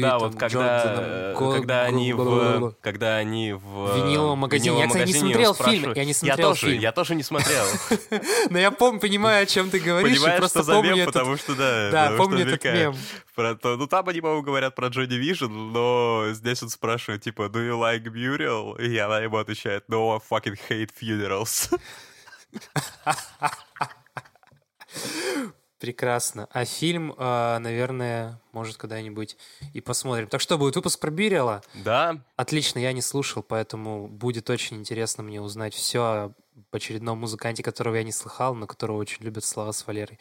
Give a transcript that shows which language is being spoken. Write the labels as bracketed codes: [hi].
[ru] Да, вот когда они в... Когда они в... Виниловом магазине. Я, кстати, не смотрел фильм. Я тоже не смотрел. Но я понимаю, о чем ты говоришь. Понимаешь, что за мем, потому что, да. Да, помню этот мем. Ну, там они, по-моему, говорят про Джонни Вижн, но здесь он спрашивает, типа, [en] «Do you like Burial?» [ru] И она ему отвечает, [en] «No, I fucking hate funerals». [ru] Прекрасно. А фильм, наверное, может когда-нибудь и посмотрим. Так что, будет выпуск про Бюриала? Да. Отлично, я не слушал, поэтому будет очень интересно мне узнать все об очередном музыканте, которого я не слыхал, но которого очень любят Слава с Валерой.